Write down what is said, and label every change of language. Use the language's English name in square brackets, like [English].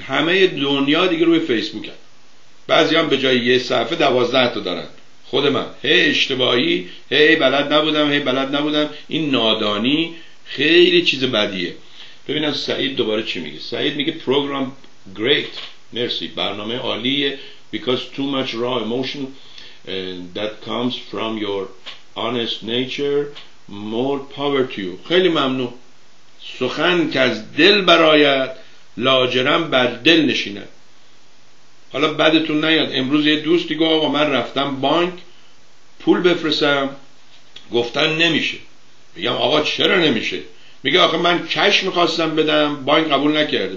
[Persian] همه دنیا دیگه روی فیسبوک هست، بعضی هم به جای یه صفحه 12 تا دارن. خود من اشتباهی بلد نبودم. این نادانی خیلی چیز بدیه. ببینم سعید دوباره چی میگه. سعید میگه [English] program great, [Persian] مرسی، برنامه عالیه. [English] Because too much raw emotion that comes from your honest nature, more power to you. [Persian] خیلی ممنون. سخن که از دل برایت لاجرم بر دل نشینه. حالا بعدتون نیاد امروز یه دوستی گفت آقا من رفتم بانک پول بفرستم، گفتن نمیشه. میگم آقا چرا نمیشه؟ میگه آقا من کش میخواستم بدم بانک قبول نکرده.